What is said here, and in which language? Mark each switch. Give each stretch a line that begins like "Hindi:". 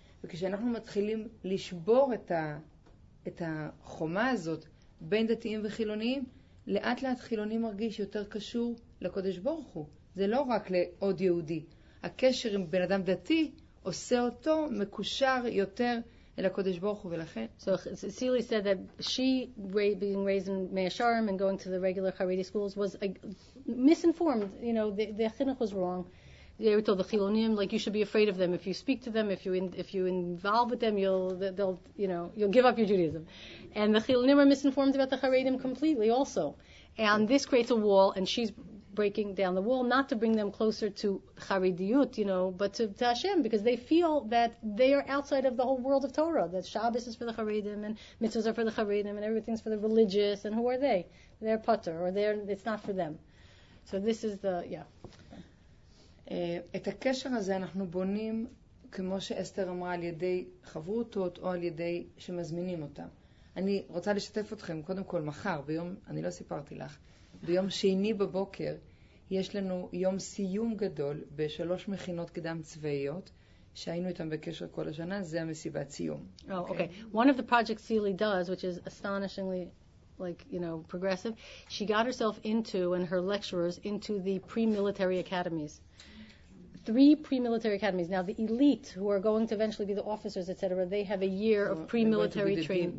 Hebrew: וכשאנחנו מתחילים לשבור את החומה הזאת בין דתיים וחילוניים, לאט לאט חילוני מרגיש יותר קשור לקודש ברוך הוא. זה לא רק לעוד יהודי. הקשר עם בן אדם דתי עושה אותו מקושר יותר אל הקודש ברוך הוא, ולכן...
English: So Cecily said that she, being raised in Mea Sharm and going to the regular Haredi schools, was misinformed. You know, the chinuch was wrong. They were told the chilonim, like, you should be afraid of them. If you speak to them, if you involve with them, you'll give up your Judaism. And the chilonim are misinformed about the Haredim completely also. And this creates a wall, and she's breaking down the wall, not to bring them closer to Haridiyut, you know, but to Hashem, because they feel that they are outside of the whole world of Torah, that Shabbos is for the Haredim, and mitzvahs are for the Haredim, and everything's for the religious, and who are they? They're putter, or it's not for them. So this is the, yeah.
Hebrew: את הקשר הזה אנחנו בונים, כמו שאסתר אמרה, על ידי חברותות או על ידי שמזמינים אותם. אני רוצה לשתף אתכם, קודם כל, מחר, ביום, אני לא סיפרתי לך, ביום שני בבוקר יש לנו יום סיום גדול בשלוש מכינות קדם צבאיות שהיינו איתם בקשר כל השנה, זה המסיבת סיום.
English: Oh, okay. One of the projects Seely does, which is astonishingly, like, you know, progressive, she got herself into, and her lecturers, into the pre-military academies. Three pre-military academies. Now, the elite, who are going to eventually be the officers, etc., they have a year of pre-military training.